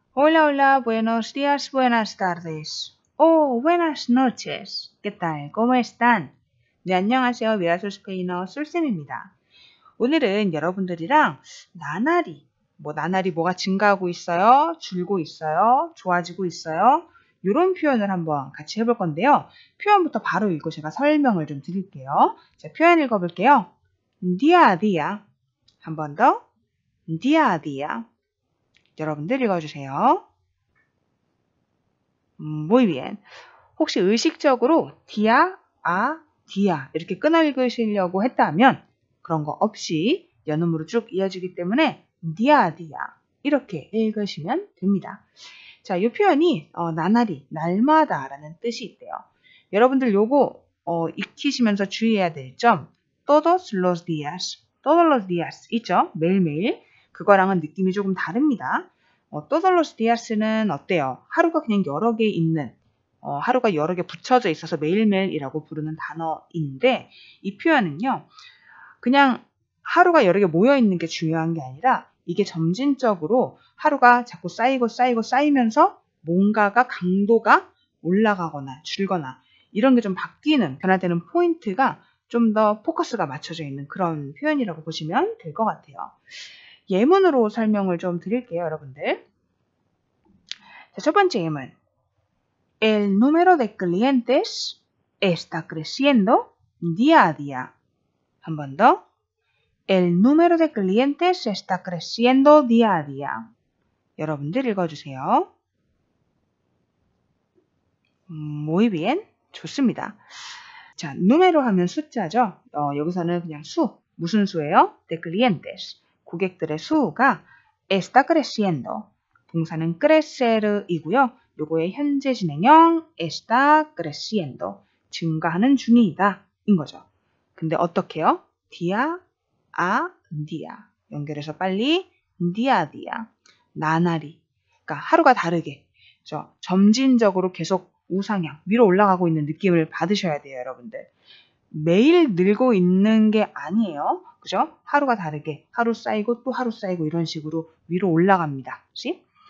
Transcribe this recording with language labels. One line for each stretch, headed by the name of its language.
Spanish: Hola, hola, buenos días, buenas tardes. Oh, buenas noches. ¿Qué tal? ¿Cómo están?
Korean: 네, 안녕하세요. 미라솔스페인어 솔쌤입니다. 오늘은 여러분들이랑 나날이, 뭐가 증가하고 있어요? 줄고 있어요? 좋아지고 있어요? 이런 표현을 한번 같이 해볼 건데요. 표현부터 바로 읽고 제가 설명을 좀 드릴게요. 자, 표현 읽어볼게요. 디아디아. 한번 더. 디아디아. 여러분들 읽어주세요.
Spanish: Muy bien.
Korean: 혹시 의식적으로 dia, a, dia 이렇게 끊어 읽으시려고 했다면 그런 거 없이 연음으로 쭉 이어지기 때문에 dia, dia 이렇게 읽으시면 됩니다. 자, 이 표현이 나날이, 날마다라는 뜻이 있대요. 여러분들 요거 익히시면서 주의해야 될 점, todos los días 있죠? 매일매일 그거랑은 느낌이 조금 다릅니다. todos los días는 어때요? 하루가 그냥 여러 개 있는, 하루가 여러 개 붙여져 있어서 매일매일이라고 부르는 단어인데, 이 표현은요, 그냥 하루가 여러 개 모여 있는 게 중요한 게 아니라, 이게 점진적으로 하루가 자꾸 쌓이고 쌓이고 쌓이면서 뭔가가 강도가 올라가거나 줄거나, 이런 게좀 바뀌는, 변화되는 포인트가 좀더 포커스가 맞춰져 있는 그런 표현이라고 보시면 될것 같아요. 예문으로 설명을 좀 드릴게요, 여러분들. 자, 첫 번째 예문.
Spanish: El número de clientes está creciendo día a día.
Korean: 한번 더.
Spanish: El número de clientes está creciendo día a día.
Korean: 여러분들 읽어주세요.
Spanish: Muy bien.
Korean: 좋습니다. 자, número 하면 숫자죠. 여기서는 그냥 수. 무슨 수예요? De clientes. 고객들의 수가 está creciendo. 동사는 crecer이고요. 요거의 현재 진행형 está creciendo. 증가하는 중이다. 인 거죠. 근데 어떻게요?
Spanish: día a día.
Korean: 연결해서 빨리 día a día. 나날이. 그러니까 하루가 다르게. 그렇죠? 점진적으로 계속 우상향, 위로 올라가고 있는 느낌을 받으셔야 돼요, 여러분들. 매일 늘고 있는 게 아니에요. 그죠? 하루가 다르게. 하루 쌓이고 또 하루 쌓이고 이런 식으로 위로 올라갑니다. 그치?